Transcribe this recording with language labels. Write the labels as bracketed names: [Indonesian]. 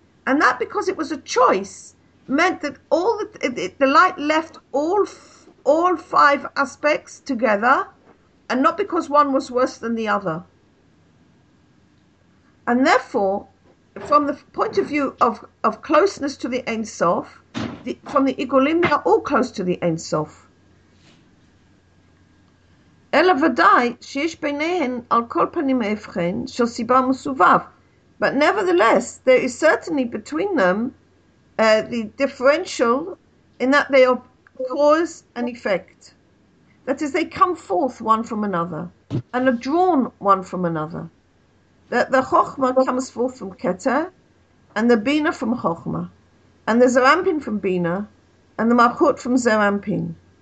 [English] And that because it was a choice meant that all the light left all five aspects together, and not because one was worse than the other. And therefore, from the point of view of closeness to the Ein Sof, from the Igolim, they are all close to the Ein Sof. [Hebrew] אלא ודאי שיש ביניהן על כל פנים ההבחן של סיבה מסובב. [English] But nevertheless, there is certainly between them the differential in that they are cause and effect. That is, they come forth one from another and are drawn one from another. That the Chochmah comes forth from Keter and the Bina from Chochmah and the Zerampin from Bina and the Malchut from Zerampin.